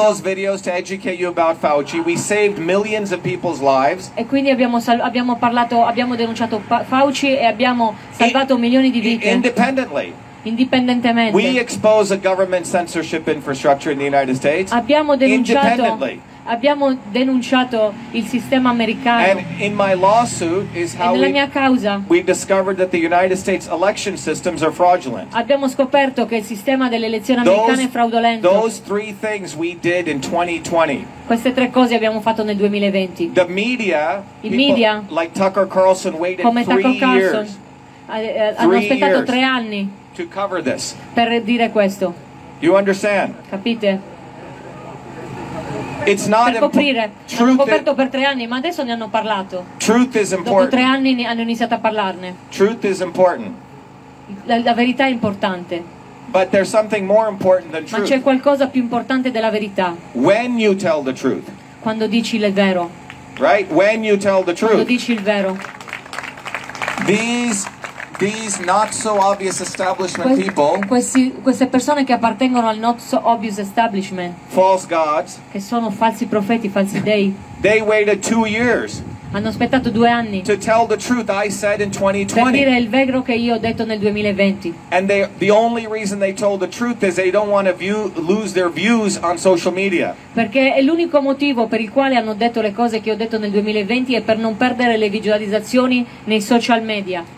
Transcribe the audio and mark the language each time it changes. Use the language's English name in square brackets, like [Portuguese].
[English] All those videos to educate you about Fauci. We saved millions of people's lives. [Italian] E quindi abbiamo parlato, abbiamo denunciato Fauci e abbiamo salvato milioni di vite. [English] Independently. [Italian] Indipendentemente. [English] We expose a government censorship infrastructure in the United States. [Italian] Abbiamo denunciato. Abbiamo denunciato il sistema americano. [English] And in my lawsuit is how [Italian] nella mia causa, [English] we discovered that the United States election systems are fraudulent. [Italian] Abbiamo scoperto che il sistema delle elezioni americane è fraudolento. [English] Those three things we did in 2020. [Italian] Queste tre cose abbiamo fatto nel 2020. [English] The media, [Italian] i media, [English] like Tucker Carlson waited [Italian] come [English] three Tucker Carlson, years, [Italian] hanno aspettato tre anni [English] to cover this. [Italian] Per dire questo. [English] You understand? [Italian] Capite? [English] It's not [Italian] per coprire. Hanno coperto per tre anni, ma adesso ne hanno parlato. [English] Truth is important. [Italian] Dopo tre anni hanno iniziato a parlarne. [English] Truth is important. [Italian] La verità è importante. [English] But there's something more important than truth. [Italian] Ma c'è qualcosa più importante della verità. [English] When you tell the truth. [Italian] Quando dici il vero. [English] Right? When you tell the truth. [Italian] Quando dici il vero. [English] These These not so obvious establishment people. [Italian] Queste persone che appartengono al [English] not so obvious establishment. False gods. [Italian] Che sono falsi profeti, falsi dei. [English] They waited 2 years. [Italian] Hanno aspettato 2 anni. [English] To tell the truth, I said in 2020. [Italian] Per dire il vero che io ho detto nel 2020. [English] And the only reason they told the truth is they don't want to lose their views on social media. [Italian] Perché è l'unico motivo per il quale hanno detto le cose che ho detto nel 2020 è per non perdere le visualizzazioni nei social media.